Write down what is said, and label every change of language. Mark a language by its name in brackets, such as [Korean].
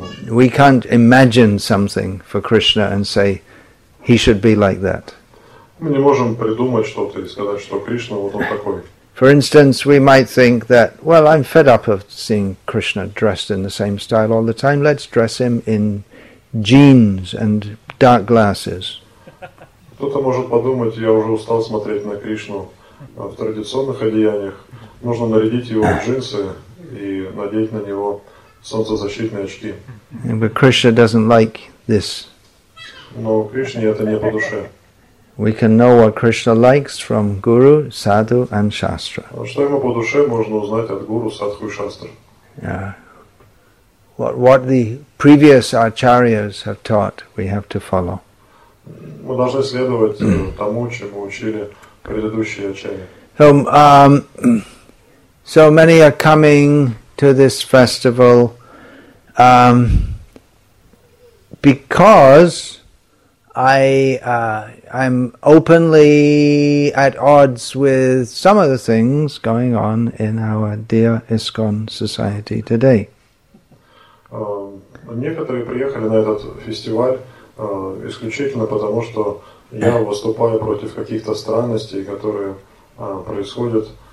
[English] We can't imagine something for Krishna and say he should be like that. [Russian] Мы не можем придумать что-то и сказать, что Кришна вот он такой. [English] For instance, we might think that, well, I'm fed up of seeing Krishna dressed in the same style all the time. Let's dress him in jeans and dark glasses. [Russian] Кто-то может подумать, я уже устал смотреть на Кришну в традиционных одеяниях. Нужно нарядить его в джинсы. И надеть на него солнцезащитные очки. [English] But Krishna doesn't like this. [Russian] Но Кришне это не по душе. [English] We can know what Krishna likes from Guru, Sadhu and Shastra. [Russian] Что ему по душе можно узнать от Гуру, Садху и Шастры. [English] What the previous acharyas have taught, we have to follow. [Russian] Мы должны следовать тому, чему учили предыдущие ачарьи. [English] So many are coming to this festival because I'm openly at odds with some of the things going on in our dear ISKCON society today. [Russian] Некоторые приехали на этот фестиваль исключительно потому, что я выступаю против каких-то странностей, которые происходят.